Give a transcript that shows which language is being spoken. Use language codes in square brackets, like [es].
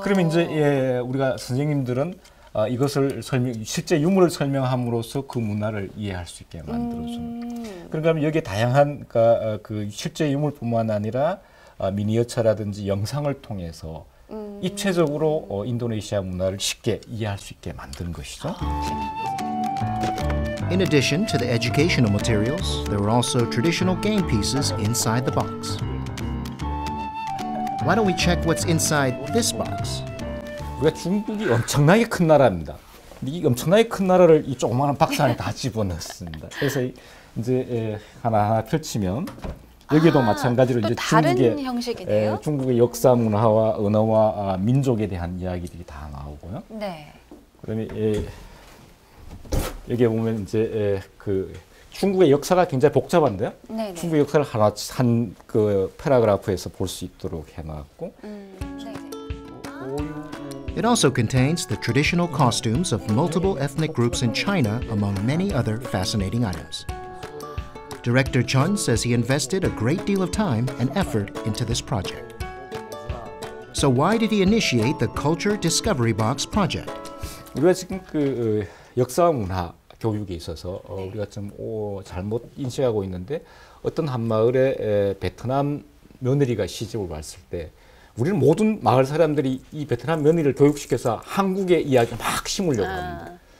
[ko] 그러면 이제 우리가 선생님들은 이것을 설명 실제 유물을 설명함으로써 그 문화를 이해할 수 있게 만들어주는. 그러니까 여기에 다양한 그 실제 유물뿐만 아니라 미니어처라든지 영상을 통해서 입체적으로 인도네시아 문화를 쉽게 이해할 수 있게 만든 것이죠. [en] In addition to the educational materials, there are also traditional game pieces inside the box. Why don't we check what's inside this box? [ko] 우리가 중국이 엄청나게 큰 나라입니다. 이 엄청나게 큰 나라를 이 조그마한 박스 안에 다 집어넣습니다. 그래서 이제 하나하나 펼치면 여기도 마찬가지로 이제 중국의 다른 형식이네요. 중국의 역사 문화와 언어와 민족에 대한 이야기들이 다 나오고요. 네. 그다음에 여기 보면 이제 그 중국의 역사가 굉장히 복잡한데요. 네네. 중국의 역사를 하나 한 그 패러그래프에서 볼 수 있도록 해놨고. [en] It also contains the traditional costumes of multiple ethnic groups in China, among many other fascinating items. Director Chun says he invested a great deal of time and effort into this project. So why did he initiate the Culture Discovery Box project? [ko] 우리가 지금 그 역사 문화 교육에 있어서 우리가 좀 잘못 인식하고 있는데 어떤 한 마을에 베트남 며느리가 시집을 왔을 때 우리는 모든 마을 사람들이 이 베트남 며느리를 교육시켜서 한국의 이야기를 막 심으려고 합니다.